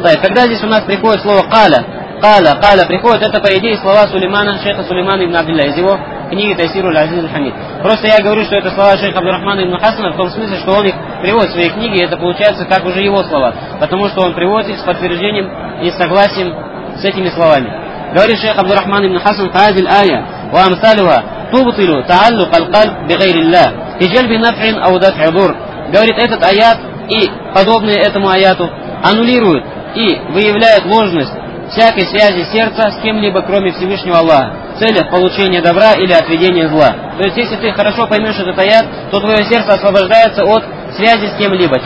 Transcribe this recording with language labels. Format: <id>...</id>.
<ru>Когда здесь у нас приходит слово каля, каля приходит, это по идее слова Сулеймана, шейха Сулеймана ибн Абдилля, из его книги Тайсиру аль-Азиз аль-Хамид. Просто я говорю, что это слова шейха Абдурахман ибн Хасана, в том смысле, что он их приводит в своей книге, и это получается как уже его слова, потому что он приводит их с подтверждением и согласием с этими словами. Говорит шейх Абдурахман ибн Хасан, фазил ая, вам салива.</ru> <ar>تبطل تعلق القلب بغير الله في جلب نفع او دفع ضر.</ar> <ru>Говорит, этот аят и подобные этому аяту аннулируют и выявляют ложность всякой связи сердца с кем-либо, кроме Всевышнего Аллаха, в целях получения добра или отведения зла. То есть, если ты хорошо поймешь этот аят, то твое сердце освобождается от связи с кем-либо.</ru>